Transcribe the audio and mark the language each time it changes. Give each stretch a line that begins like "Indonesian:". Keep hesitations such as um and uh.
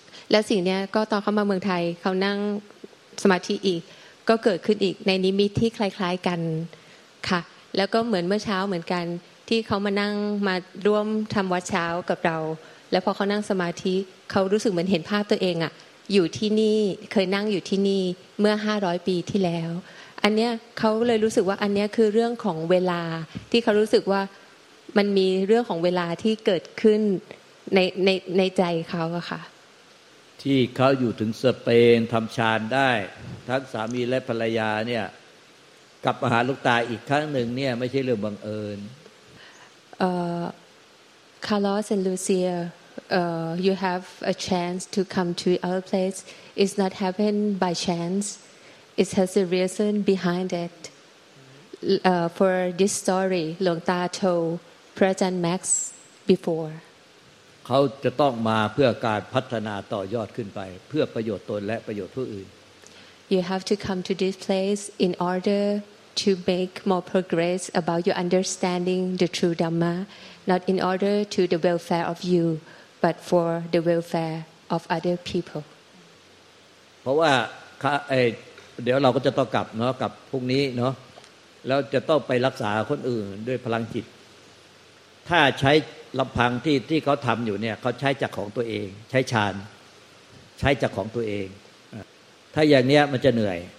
Thai: และสิ่งเนี้ยก็ตอนเขามาเมืองไทยเขานั่งสมาธิอีก ก็เกิดขึ้นอีกในนิมิตที่คล้าย ๆกันค่ะ แล้วก็เหมือนเมื่อเช้าเหมือนกัน ที่เขามานั่งมาร่วมทำวัดเช้ากับเรา แล้วพอเขานั่งสมาธิเขารู้สึกเหมือนเห็นภาพตัวเองอะอยู่ที่นี่เคยนั่งอยู่ที่นี่เมื่อ 500 ปีที่แล้ว อันเนี้ยเขาเลยรู้สึกว่าอันเนี้ยคือเรื่องของเวลาที่เขารู้สึกว่า มันมีเรื่องของเวลาที่เกิดขึ้นในในในใจเขาอะค่ะ ที่เขาอยู่ถึงสเปนทำฌานได้ ทั้งสามีและภรรยาเนี่ยกลับมาหาหลูกตาอีกครั้งหนึ่งเนี่ยไม่ใช่เรื่องบังเอิญ
English: uh, Carlos and Lucia, uh, you have a chance to come to our place. It's not happened by chance. It has a reason behind it. L- Uh, for this story, Long Ta told Prajan Max before.
Thai: เขาจะต้องมาเพื่อการพัฒนาต่อยอดขึ้นไป เพื่อประโยชน์ตนและประโยชน์ผู้อื่น
English: You have to come to this place in order to make more progress about your understanding the true Dhamma, not in order to the welfare of you, but for the welfare of other people.
Thai: เพราะว่าค่ะเอ่อเดี๋ยวเราก็จะต้องกลับเนาะกลับพรุ่งนี้เนาะแล้วจะต้องไปรักษาคนอื่นด้วยพลังจิต ถ้าใช้ลำพังที่ที่เขาทำอยู่เนี่ยเขาใช้จากของตัวเอง ใช้ฌาน ใช้จากของตัวเองอ่ะถ้าอย่างเนี้ยมันจะเหนื่อย